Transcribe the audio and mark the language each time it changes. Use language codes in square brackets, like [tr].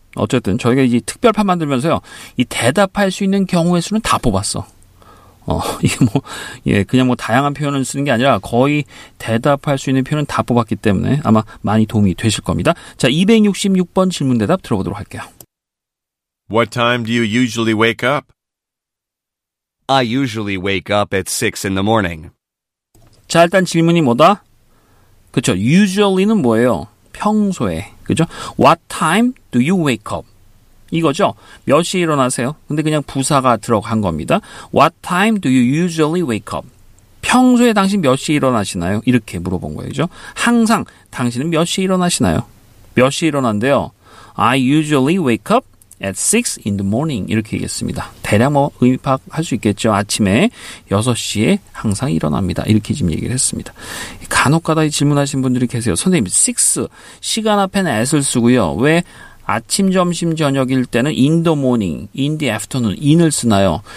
[ko] 어쨌든 저희가 이제 특별판 만들면서요. 이 대답할 수 있는 경우의 수는 다 뽑았어. 이게 뭐, 예, 그냥 뭐 다양한 표현을 쓰는 게 아니라 거의 대답할 수 있는 표현은 다 뽑았기 때문에 아마 많이 도움이 되실 겁니다. 자, 266번 질문 대답 들어보도록 할게요. [en] What time do you usually wake up? I usually wake up at 6 in the morning. [ko] 자, 일단 질문이 뭐다? 그렇죠. Usually는 뭐예요? 평소에. 그렇죠? [en] What time do you wake up? [ko] 이거죠. 몇 시에 일어나세요? 근데 그냥 부사가 들어간 겁니다. [en] What time do you usually wake up? [ko] 평소에 당신 몇 시에 일어나시나요? 이렇게 물어본 거예요. 항상 당신은 몇 시에 일어나시나요? 몇 시에 일어난대요? [en] I usually wake up at 6 in the morning. [ko] 이렇게 얘기했습니다. 대략 뭐 의미 파악할 수 있겠죠. 아침에 6시에 항상 일어납니다. 이렇게 지금 얘기를 했습니다. 간혹가다 질문하신 분들이 계세요. 선생님, 6, 시간 앞에는 S을 쓰고요. 왜 아침, 점심, 저녁일 때는 [en] in the morning, in the afternoon, [ko] in을 쓰나요?